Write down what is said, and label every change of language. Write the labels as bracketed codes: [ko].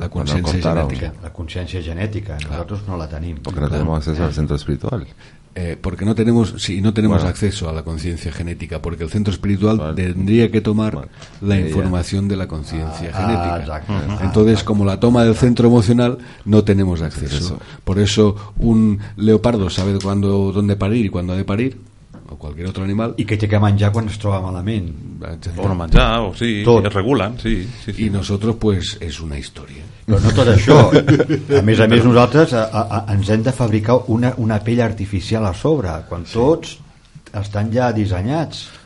[ca] la consciència genètica, la consciència genètica, nosaltres no la tenim. Perquè no tenim accés al centre espiritual. Perquè no tenim, sí, no tenim accés a la consciència genètica, perquè el centre espiritual tindria que tomar la informació de la consciència genètica. Entonces, com la toma del centre emocional, no tenim accés. Per això [es] un leopardo sabe cuándo, dónde parir y cuándo ha de parir. [ca] O qualsevol altre animal. I que té que menjar quan es troba malament. O no menjar, o sí, tot. Es regulen, sí. I nosaltres, pues, és una història. Però no tot això. A més, nosaltres ens hem de fabricar una pell artificial a sobre, quan tots estan ja dissenyats.